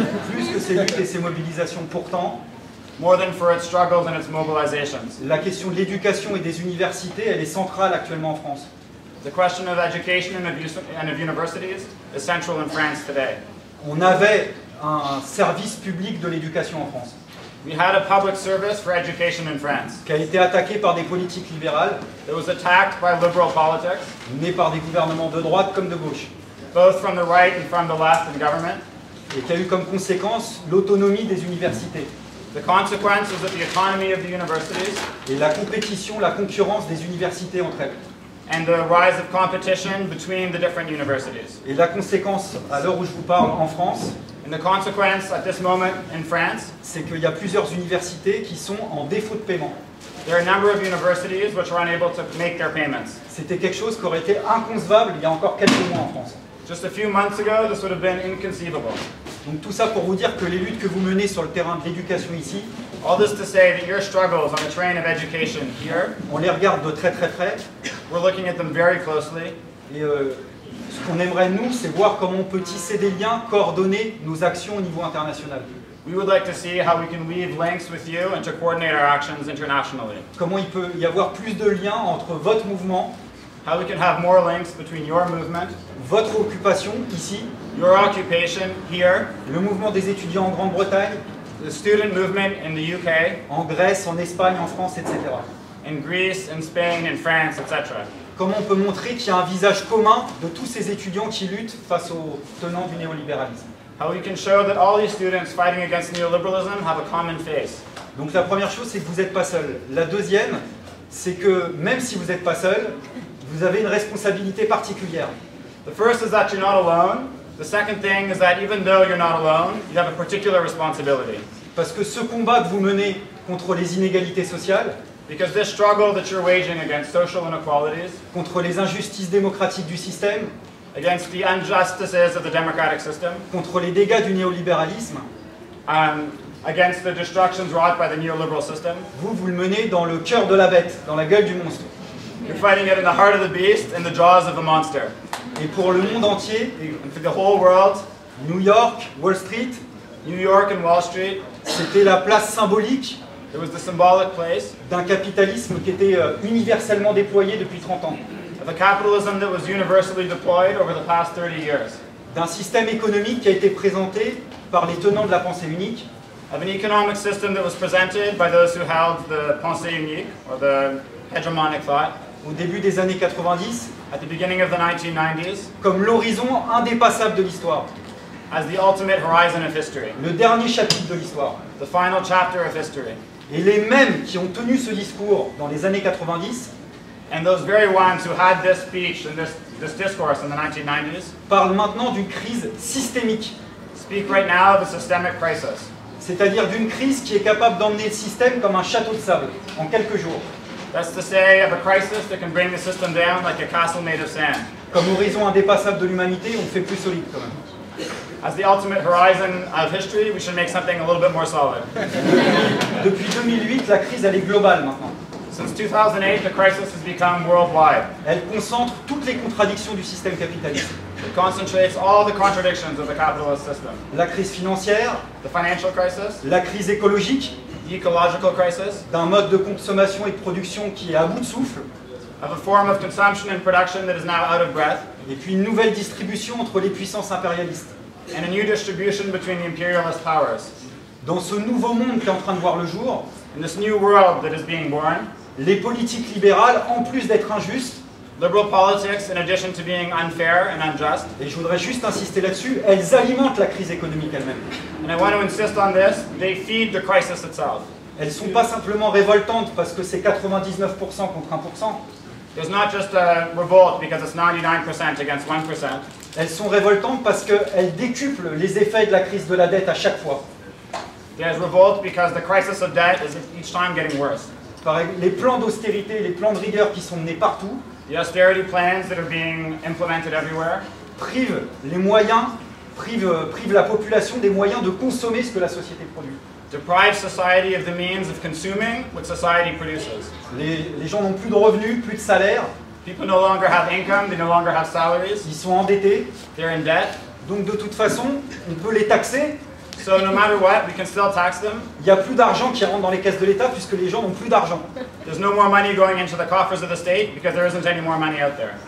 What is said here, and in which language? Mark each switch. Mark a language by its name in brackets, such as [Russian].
[French] Plus que ses luttes et ses mobilisations pourtant. [English] More than for its struggles and its mobilizations. [French] La question de l'éducation et des universités, elle est centrale actuellement en France. [English] The question of education and of universities is central in France today. [French] On avait un service public de l'éducation en France. [English] We had a public service for education in France. [French] Qui a été attaqué par des politiques libérales. [English] It was attacked by liberal politics. [French] Né par des gouvernements de droite comme de gauche. [English] Both from the right and from the left in government. [French] Et qui a eu comme conséquence l'autonomie des universités. [English] The consequence is that the autonomy of the universities [French] et la compétition, la concurrence des universités entre elles [English] and the rise of competition between the different universities [French] et la conséquence à l'heure où je vous parle en France [English] and the consequence at this moment in France [French] c'est qu'il y a plusieurs universités qui sont en défaut de paiement. [English] There are a number of universities which are unable to make their payments. [French] C'était quelque chose qui aurait été inconcevable il y a encore quelques mois en France. [English] Just a few months ago, this would have been inconceivable. [French] Donc tout ça pour vous dire que les luttes que vous menez sur le terrain de l'éducation ici, [English] All this to say that your struggles on the terrain of education here, [French] on les regarde de très très près. [English] We're looking at them very closely. [French] Et ce qu'on aimerait nous, c'est voir comment on peut tisser des liens, coordonner nos actions au niveau international. [English] We would like to see how we can weave links with you and to coordinate our actions internationally. [French] Comment il peut y avoir plus de liens entre votre mouvement, [English] how we can have more links between your movement, [French] votre occupation ici, [English] your occupation here, [French] le mouvement des étudiants en Grande-Bretagne, [English] the student movement in the UK, [French] en Grèce, en Espagne, en France, etc. [English] In Greece, in Spain, in France, etc. [French] Comment on peut montrer qu'il y a un visage commun de tous ces étudiants qui luttent face aux tenants du néolibéralisme. [English] How we can show that all these students fighting against neoliberalism have a common face. [French] Donc la première chose, c'est que vous n'êtes pas seul. La deuxième, c'est que même si vous n'êtes pas seul, vous avez une responsabilité particulière. [English] The first is that you're not alone. The second thing is that even though you're not alone, you have a particular responsibility. [French] Parce que ce combat que vous menez contre les inégalités sociales, [English] because this struggle that you're waging against social inequalities, [French] contre les injustices démocratiques du système, [English] against the injustices of the democratic system, [French] contre les dégâts du néolibéralisme, [English] against the destructions wrought by the neoliberal system, [French] vous, vous le menez dans le cœur de la bête, dans la gueule du monstre. [English] You're fighting it in the heart of the beast, in the jaws of a monster. [French] Et pour le monde entier, [English] and for the whole world, [French] New York, Wall Street, [English] New York and Wall Street, [French] c'était la place symbolique, [English] it was the symbolic place, [French] d'un capitalisme qui était universellement déployé depuis 30 ans. [English] Of a capitalism that was universally deployed over the past 30 years. [French] D'un système économique qui a été présenté par les tenants de la pensée unique. [English] Of an economic system that was presented by those who held the pensée unique, or the hegemonic thought. [French] Au début des années 90. [English] At the beginning of the 1990s. [French] Comme l'horizon indépassable de l'histoire. [English] As the ultimate horizon of history. [French] Le dernier chapitre de l'histoire. [English] The final chapter of history. [French] Et les mêmes qui ont tenu ce discours dans les années 90. [English] And those very ones who had this speech and this discourse in the 1990s [French] parlent maintenant d'une crise systémique. [English] Speak right now of a systemic crisis. [French] C'est-à-dire d'une crise qui est capable d'emmener le système comme un château de sable en quelques jours. [English] That's to say of a crisis that can bring the system down like a castle made of sand. [French] Comme horizon indépassable de l'humanité, on fait plus solide quand même. [English] As the ultimate horizon of history, we should make something a little bit more solid. [French] Depuis 2008, la crise elle est globale maintenant. [English] Since 2008, the crisis has become worldwide. [French] Elle concentre toutes les contradictions du système capitaliste. [English] It concentrates all the contradictions of the capitalist system. [French] La crise financière, [English] the financial crisis, [French] la crise écologique, [English] the ecological crisis, [French] d'un mode de consommation et de production qui est à bout de souffle, [English] of a form of consumption and production that is now out of breath, [French] et puis une nouvelle distribution entre les puissances impérialistes, [English] and a new distribution between the imperialist powers. [French] Dans ce nouveau monde qui est en train de voir le jour, [English] in this new world that is being born, [French] les politiques libérales, en plus d'être injustes, [English] liberal politics, in addition to being unfair and unjust, [French] et je voudrais juste insister là-dessus, elles alimentent la crise économique elle-même. [English] And I want to insist on this, they feed the crisis itself. [French] Elles ne sont pas simplement révoltantes parce que c'est 99% contre 1%. [English] It's not just a revolt because it's 99% against 1%. [French] Elles sont révoltantes parce qu'elles décuplent les effets de la crise de la dette à chaque fois. [English] There's revolt because the crisis of debt is each time getting worse. [French] Les plans d'austérité, les plans de rigueur qui sont menés partout, [English] the austerity plans that are being implemented everywhere, [French] privent les moyens, privent la population des moyens de consommer ce que la société produit. [English] Deprive society of the means of consuming what society produces. [French] Les gens n'ont plus de revenus, plus de salaires. [English] People no longer have income, they no longer have salaries. [French] Ils sont endettés. [English] They're in debt. [French] Donc de toute façon, on peut les taxer. [English] So no matter what, we can still tax them. [French] Il y a plus d'argent qui rentre dans les caisses de l'État puisque les gens n'ont plus d'argent. [English] There's no more money going into the coffers of the state because there isn't any more money out there.